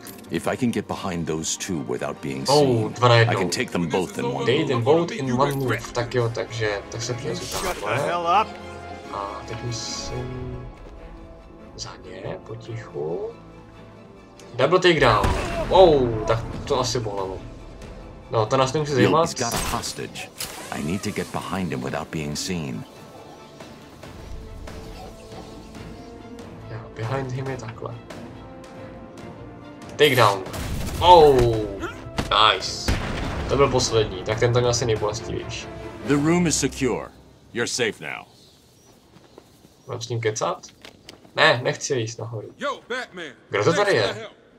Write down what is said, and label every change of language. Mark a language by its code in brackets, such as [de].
[en] If I can get behind those two without being seen, I can take them both in one move. [cs] Tak jo, takže tak se pěkně zutáhle. A teď musím za ně potichu. [en] Double takedown. [cs] Wow, tak to asi bolelo. No, to nás nemusí zajímat. [en] He's got a hostage. I need to get behind him without being seen. Yeah, behind him [cs] je takhle. [en] Takedown. Oh, nice. [cs] To byl poslední, tak ten tam asi nejbolestivější. [en] The room is secure. You're safe now. [cs] Mám s ním kecat? Ne, nechci jít nahoru. Yo, Batman. Kdo to tady je?